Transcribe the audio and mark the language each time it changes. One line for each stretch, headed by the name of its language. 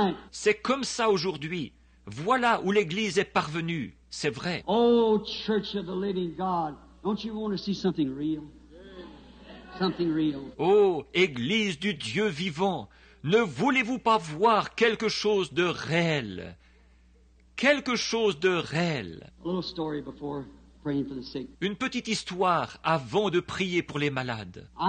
French: C'est comme ça aujourd'hui. Voilà où l'Église est parvenue. C'est vrai.
English: Oh, Church of the Living God, don't you want to see something real? Something real.
French: Oh, Église du Dieu vivant, ne voulez-vous pas voir quelque chose de réel? Quelque chose de réel.
English: A little story before.
French: Une petite histoire avant de prier pour les malades.